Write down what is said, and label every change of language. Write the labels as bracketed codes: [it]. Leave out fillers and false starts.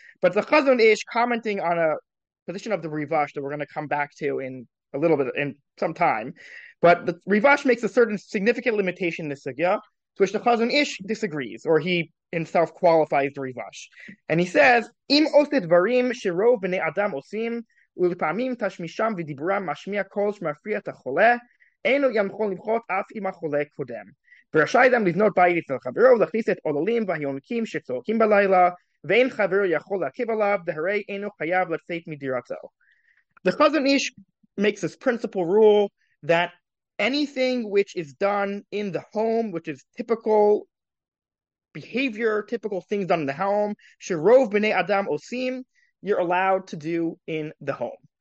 [en] But the Chazon Ish commenting on a position of the Rivash that we're going to come back to in a little bit in some time, but the Rivash makes a certain significant limitation in the sugya, to which the Chazon Ish disagrees, or he himself qualifies the Rivash, and he says, [he] "Im oset dvarim shirov bnei adam osim." ולפעמים תשמישם ודיבורם משמיע קול שמפריע את החולה, אינו יכול למחות אף אם החולה קודם. ורשאי אדם לבנות בית אצל חברו ולהכניס את עוללים והיונקים שצועקים בלילה, ואין חברו יכול לעכב עליו, דהרי אינו חייב לצאת מדירתו. [en] The Chazon Ish makes this principle rule that anything which is done in the home, which is typical behavior, typical things done in the home, [he] שרוב בני אדם עושים, [en] you're allowed to do in the home.